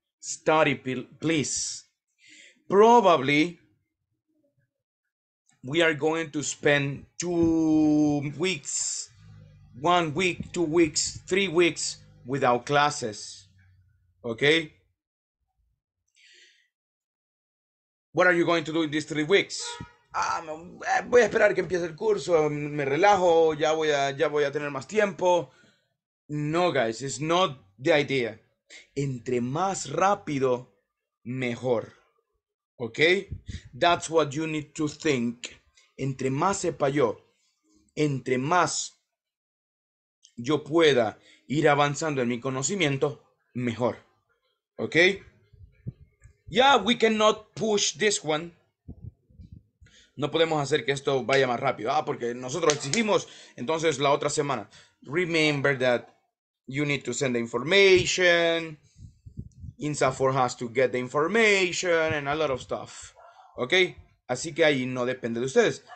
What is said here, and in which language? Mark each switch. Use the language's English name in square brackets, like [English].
[English] Study, please. Probably we are going to spend 2 weeks, 1 week, 2 weeks, 3 weeks without classes. Okay? What are you going to do in these 3 weeks? [Spanish] Voy a esperar que empiece el curso, me relajo, ya voy a tener más tiempo. [English] No, guys, it's not the idea. [Spanish] Entre más rápido, mejor. [English] Okay? That's what you need to think. [Spanish] Entre más sepa yo, entre más yo pueda ir avanzando en mi conocimiento, mejor. Okay? [English] Yeah, we cannot push this one. [Spanish] No podemos hacer que esto vaya más rápido. Ah, porque nosotros exigimos, entonces la otra semana. [English] Remember that. You need to send the information. INSAFOR has to get the information and a lot of stuff. [Spanish] Ok, así que ahí no depende de ustedes.